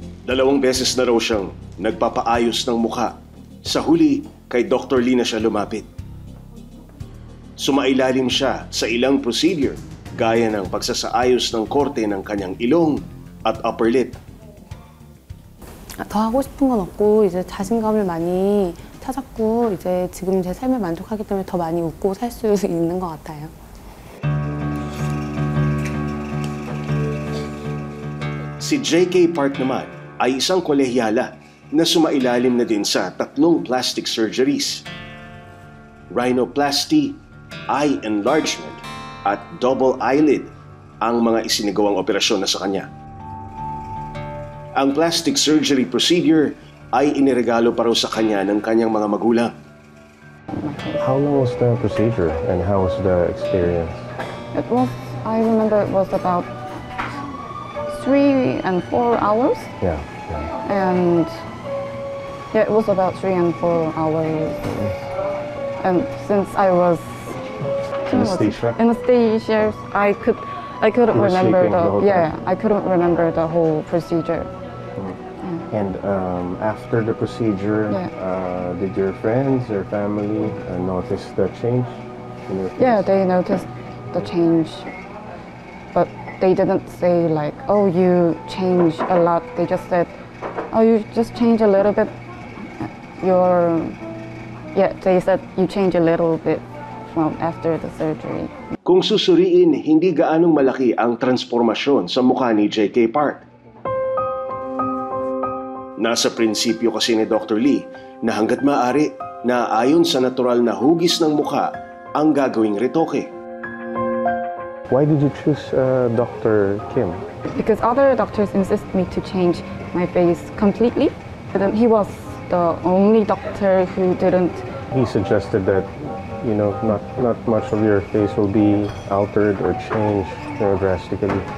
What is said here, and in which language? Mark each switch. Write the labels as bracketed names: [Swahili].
[Filipino] Dalawang beses na raw siyang nagpapaayos ng mukha. Sa huli, kay Dr. Lee na siya lumapit. Sumailalim siya sa ilang procedure gaya ng pagsasaayos ng korte ng kanyang ilong at upper lip. [Korean] 더 하고 싶은 건 없고 이제 자신감을 많이 찾았고 이제 지금 제 삶에 만족하기 때문에 더 많이 웃고 살 수 있는 것 같아요. [Filipino] 시 JK Park 나만 ay isang kolehiyala na sumailalim na din sa tatlong plastic surgeries. Rhinoplasty, eye enlargement, at double eyelid ang mga isinigawang operasyon na sa kanya. Ang plastic surgery procedure ay iniregalo pa raw sa kanya ng kanyang mga magulang. [English] How long was the procedure and how was the experience? It was, I remember it was about 3 and 4 hours. Yeah. And yeah, it was about 3 and 4 hours. And since I was anesthesia, I couldn't remember I couldn't remember the whole procedure. Yeah. And after the procedure, did your friends or family notice the change in your face? Yeah, they noticed the change. But they didn't say like, oh, you changed a lot. They just said, oh, you just change a little bit your... Yeah, they said you change a little bit from after the surgery. [Filipino] Kung susuriin, hindi gaanong malaki ang transformasyon sa mukha ni JK Park. Nasa prinsipyo kasi ni Dr. Lee na hangga't maaari na ayon sa natural na hugis ng mukha ang gagawing retoke. [English] Why did you choose Dr. Kim? Because other doctors insist me to change my face completely. And then he was the only doctor who didn't. He suggested that, you know, not much of your face will be altered or changed very drastically.